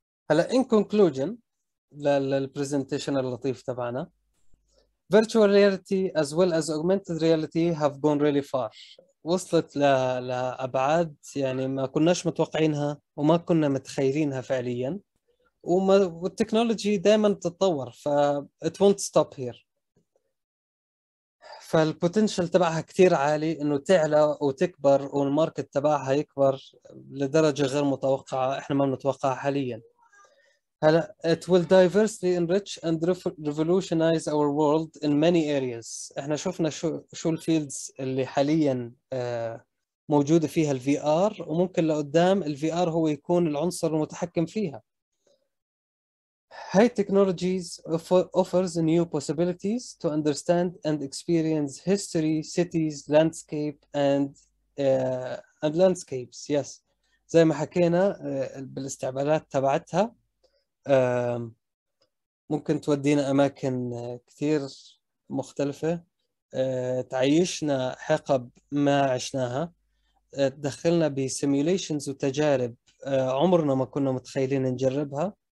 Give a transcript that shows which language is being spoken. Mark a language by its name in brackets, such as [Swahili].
[Arabic] هلا [English] in conclusion [Arabic] للبرزنتيشن اللطيف تبعنا, [English] virtual reality as well as augmented reality have gone really far, [Arabic] وصلت لأبعاد يعني ما كناش متوقعينها وما كنا متخيلينها فعليا, وما والتكنولوجي دائما تتطور ف [English] it won't stop here, [Arabic] فالبوتنشل تبعها كتير عالي انه تعلى وتكبر والماركت تبعها يكبر لدرجة غير متوقعة احنا ما بنتوقعها حاليا. [English] هلا it will diversely enrich and revolutionize our world in many areas. [Arabic] احنا شفنا شو الفيلدز اللي حاليا موجودة فيها الفي ار, وممكن لقدام الفي ار هو يكون العنصر المتحكم فيها. [English] High technologies offers new possibilities to understand and experience history, cities, landscape and landscapes. [Arabic] Yes, زي ما حكينا بالاستعبالات تبعتها ممكن تودينا أماكن كتير مختلفة, تعيشنا حقب ما عشناها, تدخلنا بسيميوليشنز وتجارب عمرنا ما كنا متخيلين نجربها.